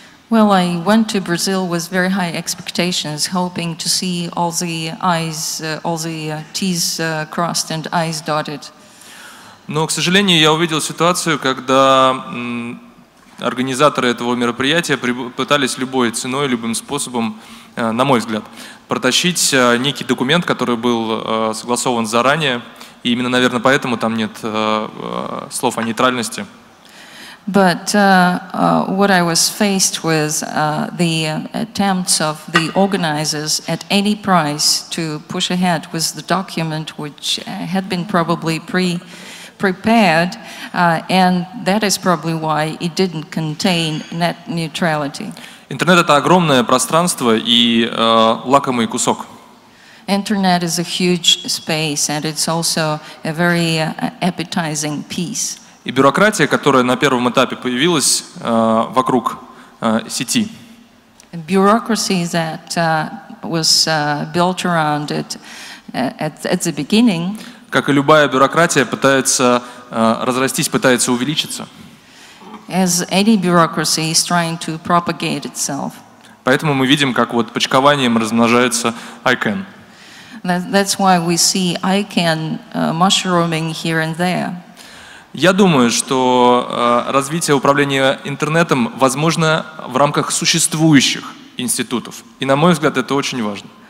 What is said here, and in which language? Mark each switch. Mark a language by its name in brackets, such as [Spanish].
[English] Well, I went to Brazil with very high expectations, hoping to see all the I's, all the T's crossed and I's dotted. [Russian] Но, к сожалению, я увидел ситуацию, когда организаторы этого мероприятия пытались любой ценой, любым способом, на мой взгляд, протащить некий документ, который был согласован заранее, и именно, наверное, поэтому там нет слов о нейтральности. [English] But what I was faced with the attempts of the organizers at any price to push ahead with the document, which had been probably prepared, and that is probably why it didn't contain net neutrality. [Russian] Интернет — это огромное пространство и лакомый кусок. [English] Internet is a huge space and it's also a very appetizing piece. [Russian] И бюрократия, которая на первом этапе появилась вокруг сети. [English] Bureaucracy that was built around it at the beginning. [Russian] Как и любая бюрократия, пытается разрастись, пытается увеличиться. [English] As any bureaucracy is trying to propagate itself. [Russian] Поэтому мы видим, как вот почкованием размножается ICANN. [English] That's why we see ICANN mushrooming here and there. [Russian] Я думаю, что развитие управления интернетом возможно в рамках существующих институтов. И на мой взгляд, это очень важно.